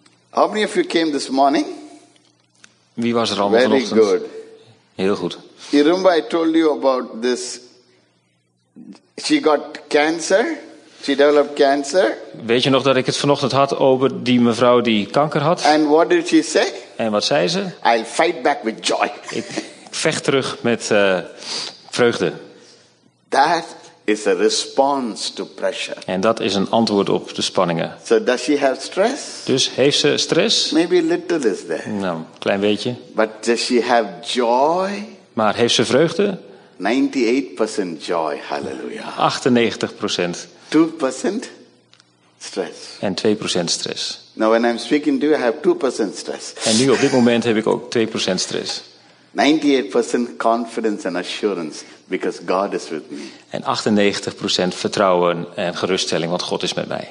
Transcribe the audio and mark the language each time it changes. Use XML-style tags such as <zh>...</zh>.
<en>How many of you came this morning?</en> <nl>Wie was er allemaal vanochtend?</nl> <en>Very good.</en> <nl>Heel goed.</nl> <en>You remember I told you about this? She got cancer. She developed cancer.</en> <nl>Weet je nog dat ik het vanochtend had over die mevrouw die kanker had?</nl> <en>And what did she say?</en> <nl>En wat zei ze?</nl> <en>I'll fight back with joy.</en> <nl>Ik vecht terug met vreugde.</nl> <en>That is a response to pressure.</en> <nl>En dat is een antwoord op de spanningen.</nl> <en>So does she have stress?</en> <nl>Dus heeft ze stress?</nl> <en>Maybe little is there.</en> <nl>Nou, klein beetje.</nl> <en>But does she have joy?</en> <nl>Maar heeft ze vreugde?</nl> <en>98% joy, hallelujah.</en> <nl>98%.</nl> <en>2% stress.</en> <nl>En 2% stress.</nl> <en>Now when I'm speaking to you, I have 2% stress.</en> <nl>En nu op dit moment heb ik ook 2% stress.</nl> <en>98% confidence and assurance because God is with me.</en> <nl>En 98% vertrouwen en geruststelling, want God is met mij.</nl>